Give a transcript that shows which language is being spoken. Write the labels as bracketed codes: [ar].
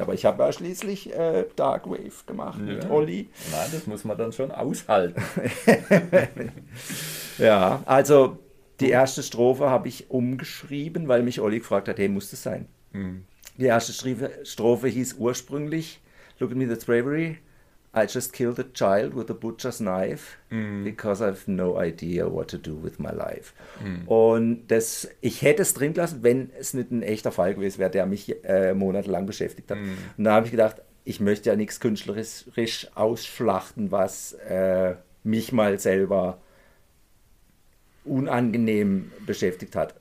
[de] Aber ich habe ja schließlich Dark Wave gemacht mit Olli. Nein, das muss man dann schon aushalten. Ja, also die erste Strophe habe ich umgeschrieben, weil mich Olli gefragt hat, hey, muss das sein? Die erste Strophe hieß ursprünglich [en] Look at me, that's bravery. I just killed a child with a butcher's knife because I've no idea what to do with my life. [de] Und das, ich hätte es drin gelassen, wenn es nicht ein echter Fall gewesen wäre, der mich monatelang beschäftigt hat. Und da habe ich gedacht, ich möchte ja nichts künstlerisch ausschlachten, was mich mal selber unangenehm beschäftigt hat.